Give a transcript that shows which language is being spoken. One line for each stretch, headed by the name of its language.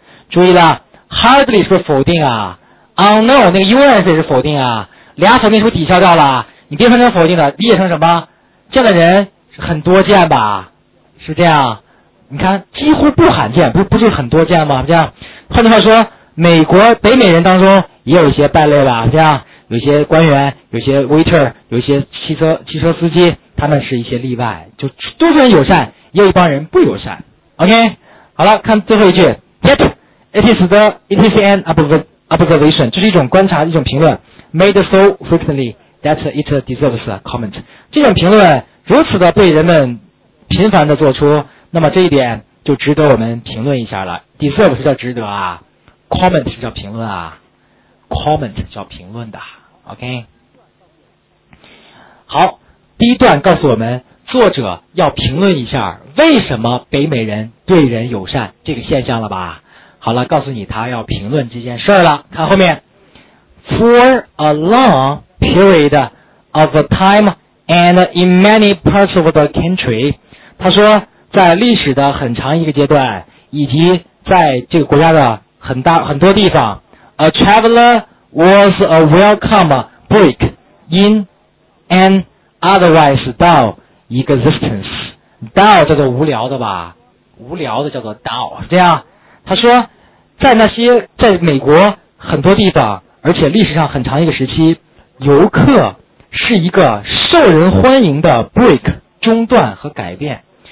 Chinese: 注意了， hardly 是否定啊， unknown 那个 UN 是否定啊，俩否定是不是抵消掉了，你别分成否定的，理解成什么，这样的人很多见吧，是这样，你看几乎不罕见，不是很多见吗，这样换句话说，美国北美人当中也有一些败类吧，这样有些官员，有些 waiter， 有些汽车司机，他们是一些例外，就多数人友善，也有一帮人不友善。
English: OK，
Chinese: 好了，看最后一句
English: ，Yet it is an observation，
Chinese: 这是一种观察，一种评论
English: ，made so frequently that it deserves a comment。
Chinese: 这种评论如此的被人们频繁的做出，那么这一点就值得我们评论一下了。 Deserve 是叫值得啊 ，comment 是叫评论啊。 comment 叫评论的 ，OK。好，第一段告诉我们，作者要评论一下为什么北美人对人友善这个现象了吧？好了，告诉你他要评论这件事了。看后面 ，
English: For a long period of time and in many parts of the country，
Chinese: 他说在历史的很长一个阶段，以及在这个国家的很多地方。
English: A traveler was a welcome break in an otherwise dull existence.
Chinese: Dull 叫做无聊的吧，无聊的叫做 dull， 这样他说在那些在美国很多地方，而且历史上很长一个时期，游客是一个受人欢迎的 break， 中断和改变。